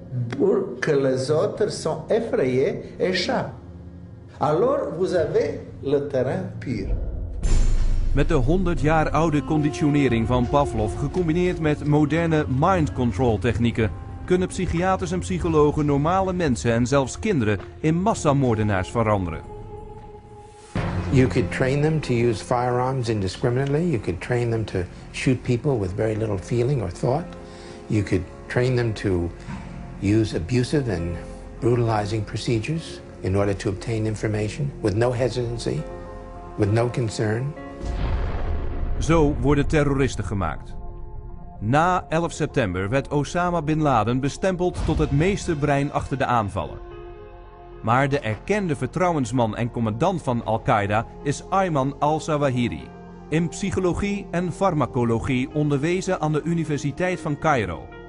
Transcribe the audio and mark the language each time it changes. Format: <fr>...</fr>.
<fr>Pour que les autres soient effrayés et échappent. Alors vous avez le terrain pire.</fr> <nl>Met de 100 jaar oude conditionering van Pavlov, gecombineerd met moderne mind control technieken, kunnen psychiaters en psychologen normale mensen en zelfs kinderen in massamoordenaars veranderen.</nl> <en>You could train them to use firearms indiscriminately. You could train them to shoot people with very little feeling or thought. You could train them to use abusive and brutalizing procedures in order to obtain information with no hesitancy, with no concern.</en> <nl>Zo worden terroristen gemaakt. Na 11 september werd Osama bin Laden bestempeld tot het meesterbrein achter de aanvallen. Maar de erkende vertrouwensman en commandant van Al-Qaeda is Ayman al-Zawahiri. In psychologie en farmacologie onderwezen aan de Universiteit van Cairo.</nl>